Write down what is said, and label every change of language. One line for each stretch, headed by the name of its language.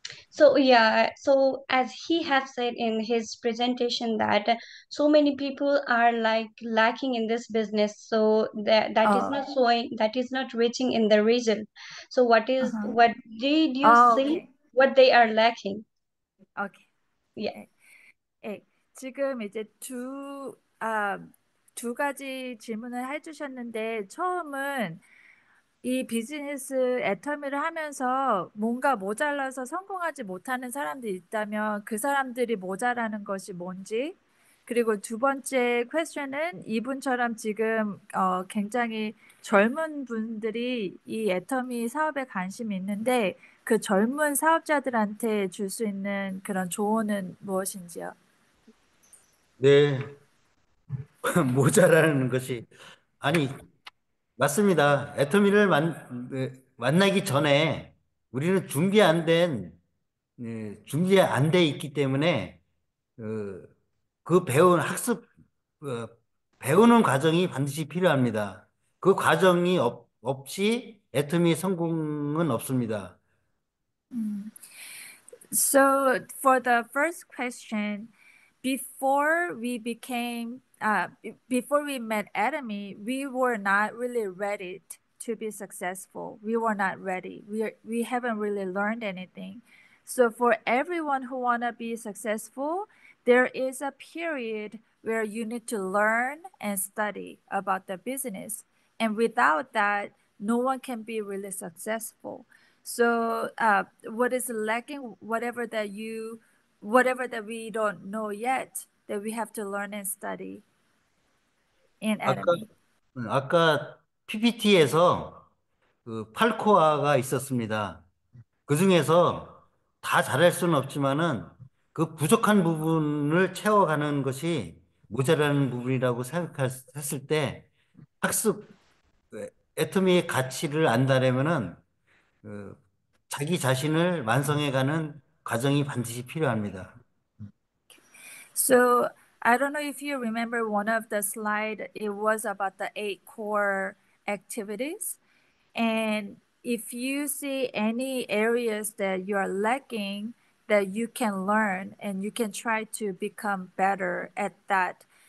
English: so yeah, so as he has said in his presentation that so many people are like lacking in this business, so that is not showing, that is not reaching in the region. So what did you see what they are lacking? Yeah.
Korean: 지금 이제 두 가지 질문을 해주셨는데, 처음은 이 비즈니스 애터미를 하면서 뭔가 모자라서 성공하지 못하는 사람들이 있다면 그 사람들이 모자라는 것이 뭔지, 그리고 두 번째 퀘스천은 이분처럼 지금 굉장히 젊은 분들이 이 애터미 사업에 관심이 있는데 그 젊은 사업자들한테 줄수 있는 그런 조언은 무엇인지요? 네, 모자라는 것이 아니 맞습니다. 애터미를 만나기 전에 우리는 준비 안돼 있기 때문에 그 배운 학습 배우는 과정이 반드시 필요합니다. 그 과정이 없이 애터미의 성공은 없습니다.
English: So for the first question, before we met Atomy, we were not really ready to be successful. We were not ready. We haven't really learned anything. So for everyone who wanna be successful, there is a period where you need to learn and study about the business. And without that, no one can be really successful. So, what is lacking, whatever that you whatever that we don't know yet that we have to learn and study in anime.
Korean: 아까 PPT에서 그 팔코아가 있었습니다. 그 중에서 다 잘할 수는 없지만은 그 부족한 부분을 채워가는 것이 모자라는 부분이라고 생각했을 때 학습 애터미의 가치를 안다려면은 그 자기 자신을 완성해가는 과정이 반드시 필요합니다.
English: So I don't know if you remember one of the slide. It was about the 8 core activities. And if you see any areas that you are lacking, that you can learn and you can try to become better at that.